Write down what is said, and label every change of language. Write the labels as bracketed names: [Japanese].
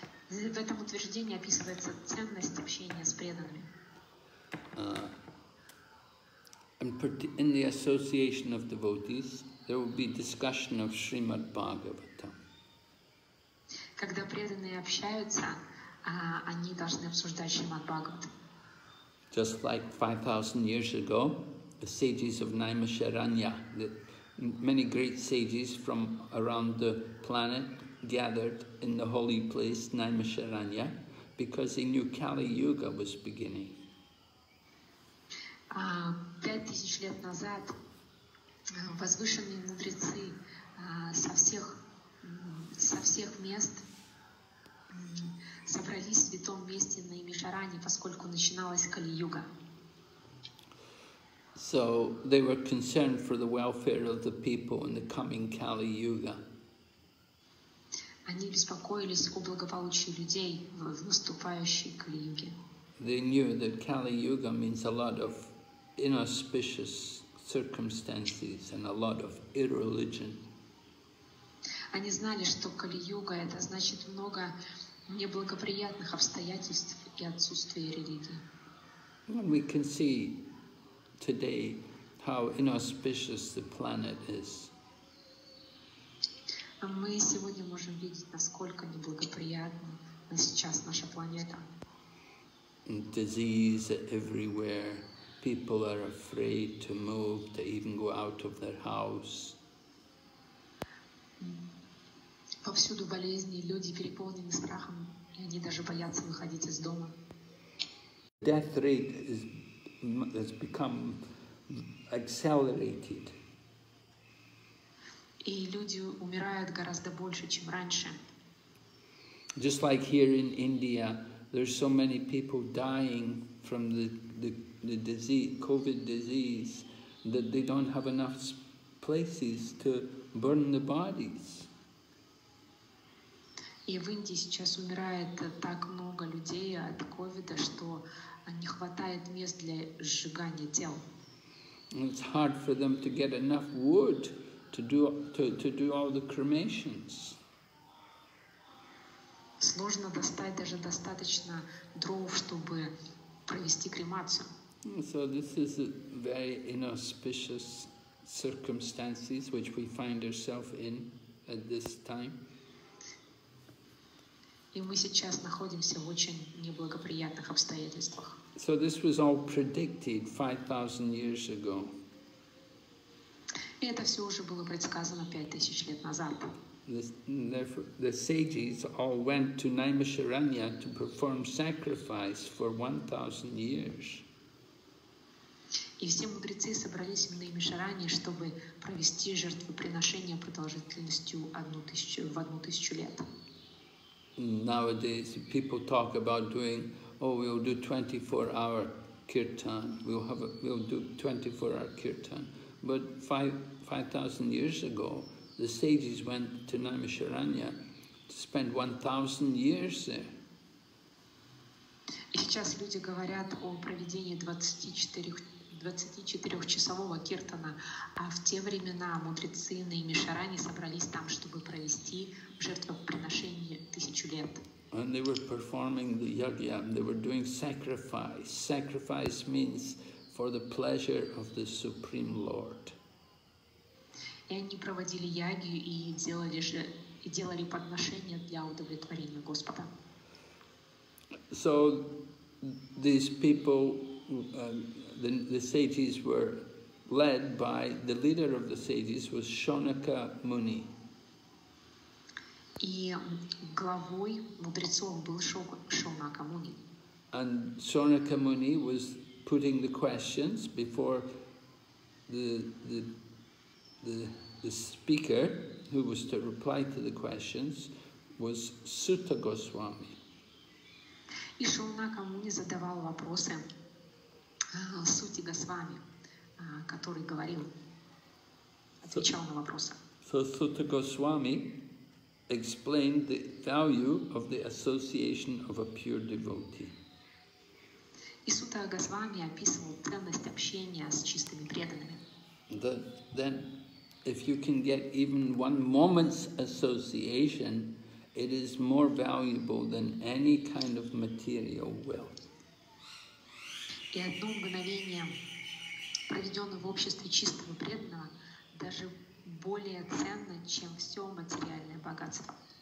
[Russian] В этом утверждении описывается ценность общения с преданными. [English] In the association of devotees, there will be discussion of Srimad Bhagavatam. [Russian] Когда преданные общаются, они должны обсуждать Шримад Бхагаватам. [English] Just like 5,000 years ago, the sages of Naimisharanya, many great sages from around the planet gathered in the holy place Naimisharanya because they knew Kali Yuga was beginning. [Russian] 5000 лет назад возвышенные мудрецы со всех мест собрались в святом месте на Имишаране, поскольку начиналась Кали-юга. [English] So they were concerned for the welfare of the people in the coming Kali-yuga. [Russian] Они беспокоились о благополучии людей в наступающей Кали-юге. [English] They knew that Kali-yuga means a lot of inauspicious circumstances and a lot of irreligion. [Russian] Они знали, что Кали-юга это значит много неблагоприятных обстоятельств и отсутствие религии. [English] And we can see today how inauspicious the planet is. [Russian] Мы сегодня можем видеть, насколько неблагоприятна сейчас наша планета. [English] Disease everywhere. People are afraid to move, to even go out of their house. [Russian] Повсюду болезни, люди переполнены страхом, и они даже боятся выходить из дома. [English] Death rate has become accelerated. [Russian] И люди умирают гораздо больше, чем раньше. [English] Just like here in India, there's so many people dying from the disease, COVID disease, that they don't have enough places to burn the bodies. [Russian] И в Индии сейчас умирает так много людей от ковида, что не хватает мест для сжигания тел. [English] It's hard for them to get enough wood to do all the cremations. [Russian] Сложно достать даже достаточно дров, чтобы провести кремацию. [English] So this is a very inauspicious circumstances which we find ourselves in at this time. [Russian] И мы сейчас находимся в очень неблагоприятных обстоятельствах. [English] So this was all predicted 5,000 years ago. [Russian] И это все уже было предсказано 5,000 лет назад. [English] The sages all went to Naimisharanya to perform sacrifice for 1,000 years. [Russian] И все мудрецы собрались в Наимишаране, чтобы провести жертвоприношение продолжительностью 1,000 лет. [English] Nowadays people talk about doing, oh, we'll do 24-hour kirtan. We'll do 24-hour kirtan. But 5,000 years ago, the sages went to Naimisharanya to spend 1,000 years there. [Russian] И сейчас люди говорят о проведении 24-часового киртана, а в те времена мудрецы на Наимишаране собрались там, чтобы провести жертвоприношение 1,000 лет. [English] And they were performing the yagya, they were doing sacrifice. Sacrifice means for the pleasure of the Supreme Lord. [Russian] И они проводили ягью и делали подношения для удовлетворения Господа. [English] So these people, the sages were led by the leader of the sages was Shonaka Muni. [Russian] И главой мудрецов был Шонака Муни. [English] And Shonaka Muni was putting the questions before the speaker who was to reply to the questions was Sutta Goswami. [Russian] И Шонака Муни задавал вопросы Сути Госвами, который говорил, отвечал на вопросы. [English] So Sutta Goswami explained the value of the association of a pure devotee. [Russian] И Сута Госвами описывал ценность общения с чистыми преданными. [English] Then, if you can get even one moment's association, it is more valuable than any kind of material wealth. [Russian] И одно мгновение, проведенное в обществе чистого преданного, даже более ценно, чем все материальное богатство.